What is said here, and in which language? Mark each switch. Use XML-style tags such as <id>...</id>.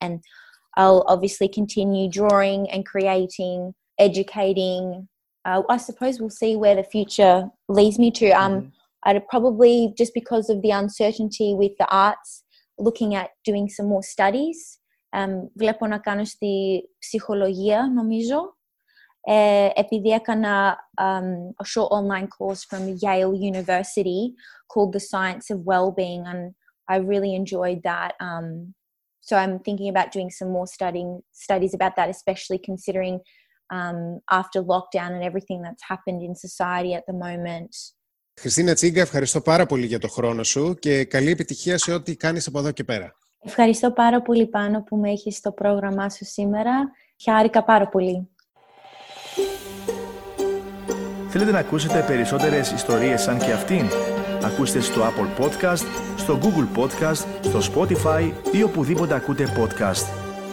<en>And I'll obviously continue drawing and creating, educating. I suppose we'll see where the future leads me to. I'd probably, just because of the uncertainty with the arts, looking at doing some more studies.</en> <el>Βλέπω να κάνω στη ψυχολογία, νομίζω. Επειδή έκανα</el> <en>a short online course from Yale University called The Science of Wellbeing, and I really enjoyed that So I'm thinking about doing some more studies about that, especially considering after lockdown and everything that's happened in society at the moment.</en> <el>Χριστίνα Τσίγκα, ευχαριστώ πάρα πολύ για το χρόνο σου και καλή επιτυχία σε ό,τι κάνεις από εδώ και πέρα. Ευχαριστώ πάρα πολύ, Πάνο, που με έχεις στο πρόγραμμά σου σήμερα. Χάρηκα πάρα πολύ. Θέλετε να ακούσετε περισσότερες ιστορίες σαν και αυτήν? Ακούστε στο Apple Podcast, στο Google Podcast, στο Spotify ή οπουδήποτε ακούτε podcast.</el>